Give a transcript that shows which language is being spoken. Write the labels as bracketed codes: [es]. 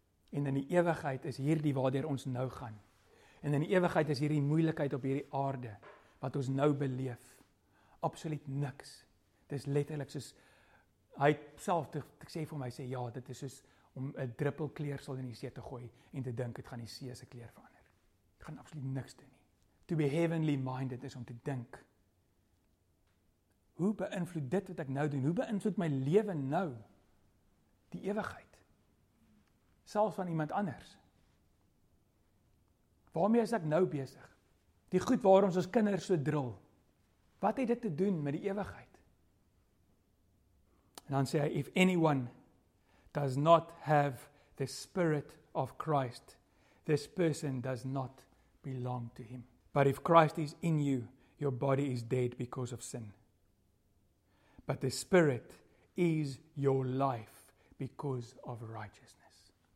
[af] En in die ewigheid is hierdie waardeur ons nou gaan. En in die ewigheid is hierdie moeilikheid op hierdie aarde, wat ons nou beleef, absoluut niks. Dit is letterlik soos, hy self, ek sê vir hom, hy sê, ja, dit is soos om 'n druppel kleursel in die see te gooi en te dink dit gaan die see se kleur verander. Dit gaan absoluut niks doen nie. [en] To be heavenly minded [af] is om te dink. Hoe beïnvloed dit wat ek nou doen? Hoe beïnvloed my lewe nou die ewigheid? Selfs van iemand anders. Waarmee is ek nou besig? Die goed waar ons kinders so drill. Wat het dit te doen met die ewigheid? En dan sê hy, [en] if anyone does not have the spirit of Christ, this person does not belong to him. But if Christ is in you, your body is dead because of sin. But the spirit is your life because of righteousness.